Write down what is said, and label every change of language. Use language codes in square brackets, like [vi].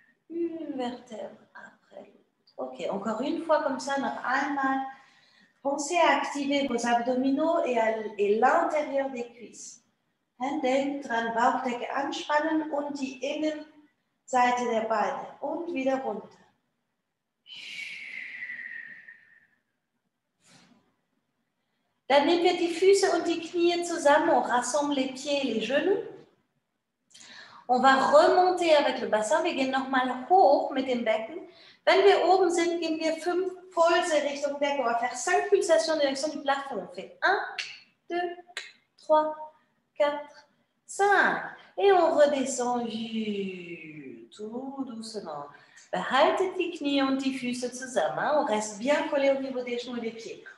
[fr] Une vertèbre. Ok, encore une fois comme ça, [de] noch einmal. [fr] Pensez à activer vos abdominaux et l'intérieur des cuisses. [de] Denk dran, Bauchdecke anspannen und die Innenseite der Beine. Und wieder runter. Dann nehmen wir die Füße und die Knie zusammen. [fr] On rassemble les pieds et les genoux. On va remonter avec le bassin. [de] Wir gehen nochmal hoch mit dem Becken. Wenn wir oben sind, gehen wir 5 Pulse Richtung Decke. [fr] On va faire 5 pulsations direction du plafond. On fait 1, 2, 3, 4, 5. Et on redescend. Tout doucement. [de] Behaltet die Knie und die Füße zusammen. [fr] On reste bien collé au niveau des genoux et des pieds.